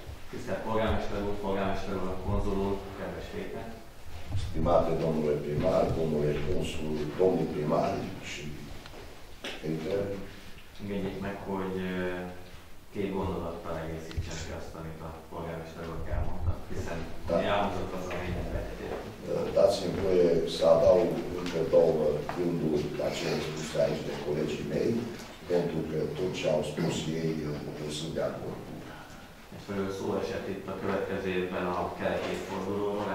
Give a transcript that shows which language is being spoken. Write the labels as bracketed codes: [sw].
[hu] Tisztelt polgármester úr, polgármester úr, a konzul úr, kedves Péter! [ro] Stimate domnule primar, domnule consul, domni primari și Péter! [hu] Engedjék meg, hogy két gondolattal egészítsen ki azt, amit a polgármester úr elmondta, hiszen mi elmondott az a lényeget. [ro] Dați-mi voie să adaug încă două gânduri la ce am spus aici de colegii mei, pentru că tot ce au spus ei, eu sunt de acord. [hu] Fölül szó esett itt a következő évben a keleti évfordulóról.